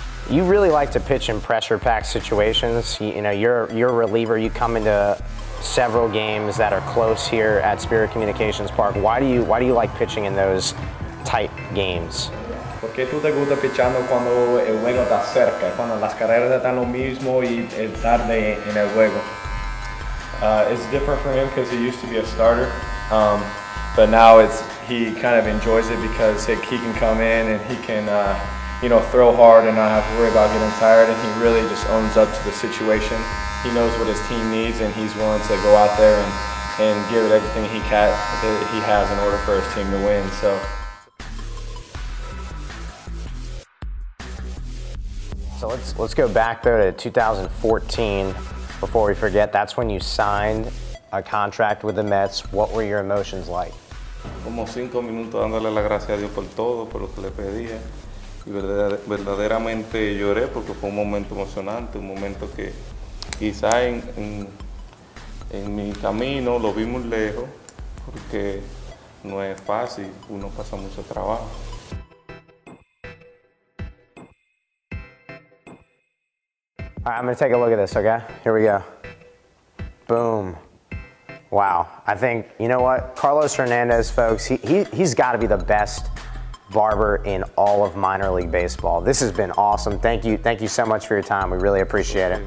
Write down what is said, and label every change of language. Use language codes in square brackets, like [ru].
[en] You really like to pitch in pressure pack situations. You know, you're a reliever, you come into several games that are close here at Spirit Communications Park. Why do you like pitching in those tight games? [es] Porque tú te gusta pichando cuando el juego está cerca, cuando las carreras están lo mismo y tarde en el juego. [en] It's different for him because he used to be a starter, but now he kind of enjoys it because he can come in and he can throw hard and not have to worry about getting tired, and he really just owns up to the situation. He knows what his team needs, and he's willing to go out there and give it everything he has in order for his team to win. So, let's go back though to 2014. Before we forget, that's when you signed a contract with the Mets. What were your emotions like? [es] Como 5 minutos dándole las gracias a Dios por todo, por lo que le pedía, y verdaderamente lloré porque fue un momento emocionante, un momento que quizá en mi camino lo vi muy lejos porque no es fácil, uno pasa mucho trabajo. [en] All right, I'm going to take a look at this, okay? Here we go. Boom. Wow. I think, you know what? Carlos Hernandez, folks, he's got to be the best barber in all of minor league baseball. This has been awesome. Thank you so much for your time. We really appreciate it.